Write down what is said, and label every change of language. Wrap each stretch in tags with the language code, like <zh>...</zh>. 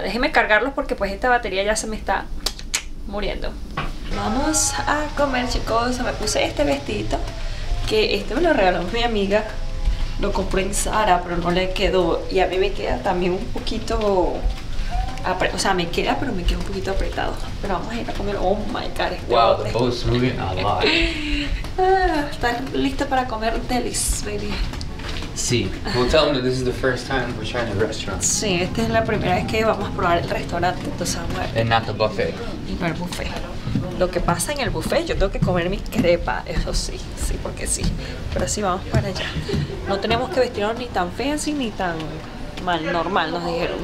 <es>Déjenme cargarlos porque pues esta batería ya se me está muriendo. Vamos a comer, chicos. Me puse este vestidito que este me lo regaló mi amiga. Lo compró en Zara pero no le quedó. Y a mí me queda también un poquito... O sea, me queda, pero me queda un poquito apretado. Pero vamos a ir a comer.</es> <en>Oh my God,</en> <es>este</es> <en>wow, the boat's moving a lot.</en> <es>Estás listo para comer delis, baby. Sí.</es> <en>Well, tell them that this is the first time we're trying the restaurant.</en> <es>Sí, esta es la primera vez que vamos a probar el restaurante. Entonces vamos a ver.</es> <en>And not the buffet.</en> <es>Y no el buffet. Lo que pasa en el buffet, yo tengo que comer mi crepa. Eso sí, sí, porque sí. Pero sí, vamos para allá. No tenemos que vestirnos ni tan fancy ni tan... mal, normal, nos dijeron.</es>